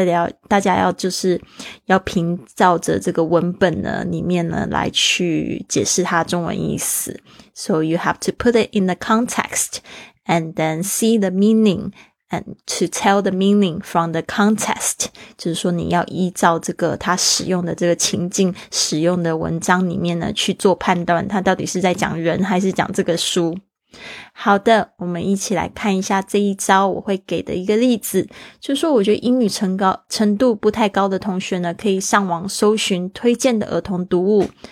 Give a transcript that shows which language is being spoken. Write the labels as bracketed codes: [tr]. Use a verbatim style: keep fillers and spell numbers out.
[zh] 大家要，大家要就是要凭照着这个文本呢里面呢来去解释它中文意思。 [en] So you have to put it in the context and then see the meaning and to tell the meaning from the context. [zh] 就是说你要依照这个它使用的这个情境使用的文章里面呢去做判断，它到底是在讲人还是讲这个书。好的，我们一起来看一下这一招我会给的一个例子，就是说我觉得英语程高程度不太高的同学呢，可以上网搜寻推荐的儿童读物，